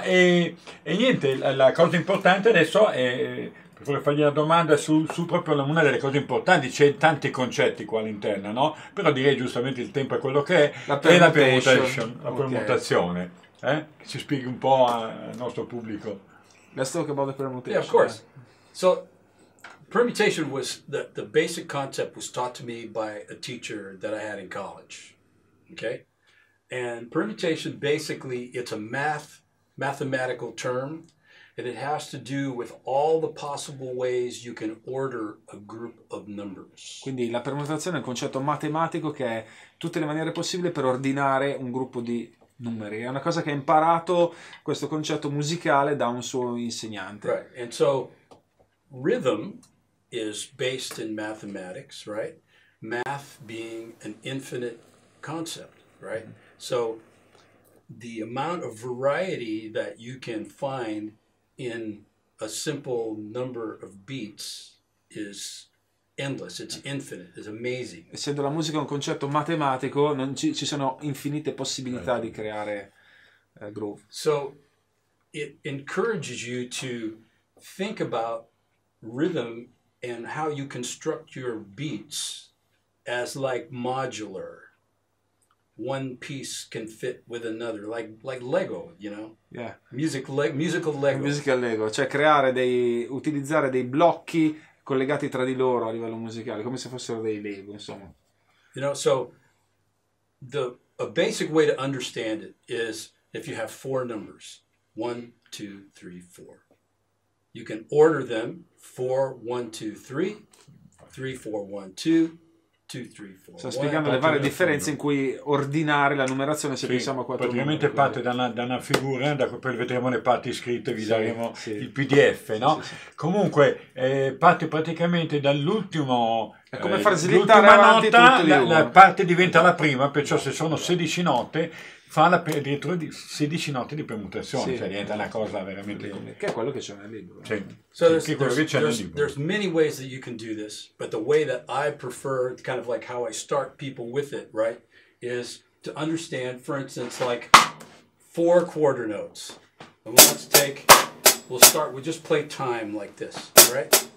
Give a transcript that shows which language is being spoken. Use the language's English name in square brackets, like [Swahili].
[Italian] E niente, la cosa importante adesso è, per fargli una domanda su proprio una delle cose importanti, c'è tanti concetti qua all'interno, no? Però direi giustamente il tempo è quello che è. La permutation. La permutazione. Che ci spieghi un po' al nostro pubblico. [English] Let's talk about the permutation. Yeah, of course. So, permutation was the basic concept was taught to me by a teacher that I had in college. Okay? And permutation, basically, it's a mathematical term, and it has to do with all the possible ways you can order a group of numbers. [Italian] Quindi la permutazione è un concetto matematico che è tutte le maniere possibili per ordinare un gruppo di numeri. È una cosa che ha imparato questo concetto musicale da un suo insegnante. [English] Right. And so rhythm is based in mathematics, right? Math being an infinite concept, right? So the amount of variety that you can find in a simple number of beats is endless, it's infinite, it's amazing. Essendo la musica un concetto matematico, non ci sono infinite possibilità di creare groove. So it encourages you to think about rhythm and how you construct your beats as like modular. One piece can fit with another, like Lego, you know? Yeah. Musical Lego. Musical Lego, [Italian] cioè creare utilizzare dei blocchi collegati tra di loro a livello musicale, come se fossero dei Lego, insomma. [English] You know, so a basic way to understand it is if you have four numbers, 1, 2, 3, 4. You can order them 4, 1, 2, 3, 3, 4, 1, 2, 2, 3, 4. [Italian] Sto spiegando le varie differenze in cui ordinare la numerazione se pensiamo a quattro. Praticamente parte da una figura, da cui poi vedremo le parti scritte, vi daremo il PDF, no? Sì. Comunque parte praticamente dall'ultimo. È come far slittare nota, la parte diventa la prima, perciò se sono 16 note, fa la addirittura di 16 note di permutazione, sì. Cioè diventa una cosa veramente. Che è quello che c'è nel libro. Cioè, [English] There's many ways that you can do this, but the way that I prefer, kind of like how I start people with it, right, is to understand, for instance, like four quarter notes. And we'll start, we'll just play time like this, right?